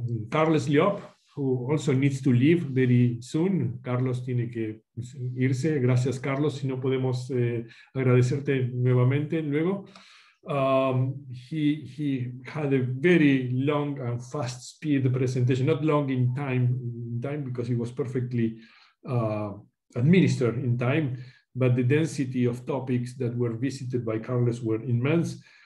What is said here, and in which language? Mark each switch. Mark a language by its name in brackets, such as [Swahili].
[English] Carlos Llop, who also needs to leave very soon. [Spanish] Carlos tiene que irse. Gracias, Carlos. Si no, podemos agradecerte nuevamente luego. [English] He had a very long and fast speed presentation, not long in time, because it was perfectly administered in time, but the density of topics that were visited by Carlos were immense.